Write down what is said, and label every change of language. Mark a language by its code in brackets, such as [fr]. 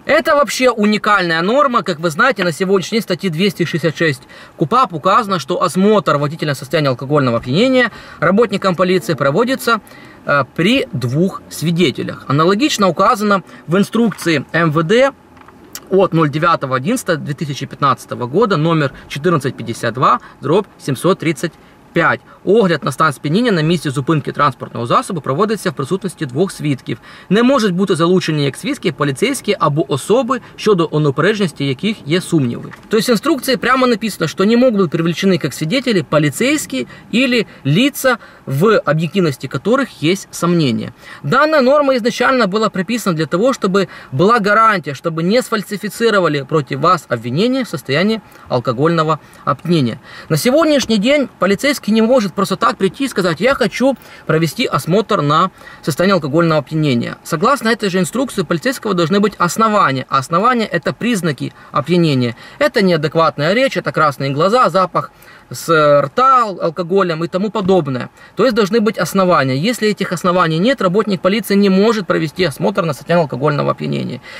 [ru] Это вообще уникальная норма. Как вы знаете, на сегодняшний день в статье 266 КУПАП указано, что осмотр водителя на состояние алкогольного опьянения работникам полиции проводится при двух свидетелях. Аналогично указано в инструкции МВД от 09.11.2015 года, номер 1452/735. [uk] Огляд на стан сп'яніння на місці зупинки транспортного засобу проводиться в присутності двох свідків. Не можуть бути залучені як свідки поліцейські або особи, щодо неупередженості яких є сумніви. Тобто в інструкції прямо написано, що не можуть бути привлечені як свідетелі поліцейські або ліца, в об'єктивності яких є сумнення. Дана норма ізначально була приписана для того, щоб була гарантія, щоб не сфальсифіцировали проти вас обвинення [ru] в состоянии алкогольного опьянения. [uk] На сьогоднішній день поліцейський не може просто так прийти і сказати: «Я хочу провести [ru] осмотр на состояние алкогольного опьянения». Согласно этой же инструкции, у полицейского должны быть основания. А основания – это признаки опьянения. Это неадекватная речь, это красные глаза, запах с рта алкоголем и тому подобное. То есть должны быть основания. Если этих оснований нет, работник полиции не может провести осмотр на состояние алкогольного опьянения.